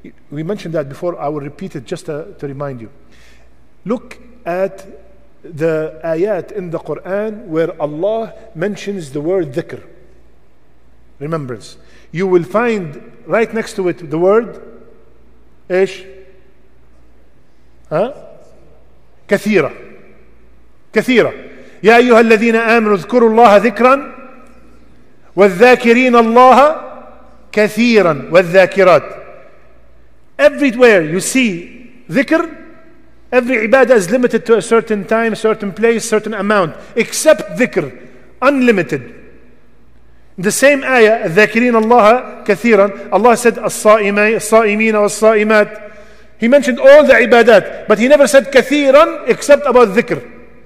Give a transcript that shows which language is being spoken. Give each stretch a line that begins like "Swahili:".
English: We mentioned that before, I will repeat it just to remind you. Look at the ayat in the Quran where Allah mentions the word dhikr, remembrance. You will find right next to it the word, ish? Huh?
Arabic: كثيرة يا أيها الذين آمنوا اذكروا الله ذكرا والذاكرين الله كثيرا والذاكرات.
English: Everywhere you see ذكر, every عبادة is limited to a certain time, certain place, certain amount, except ذكر, unlimited. The same ayah,
Arabic: الذاكرين الله كثيرا,
English: Allah said
Arabic: الصائمين والصائمات.
English: He mentioned all the ibadat, but he never said kathiran except about dhikr.